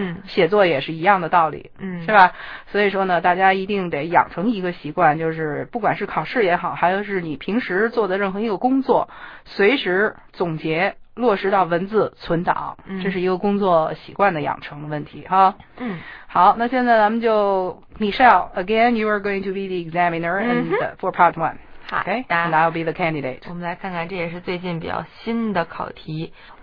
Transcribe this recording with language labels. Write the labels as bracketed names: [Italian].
[Chinese] 写作也是一样的道理。是吧？所以说呢，大家一定得养成一个习惯，就是不管是考试也好，还有是你平时做的任何一个工作，随时总结落实到文字存档，这是一个工作习惯的养成的问题哈。好，那现在咱们就 [English] Michelle again you are going to be the examiner and for part one. Okay, and I'll be the candidate. [Chinese] 我们来看看，这也是最近比较新的考题。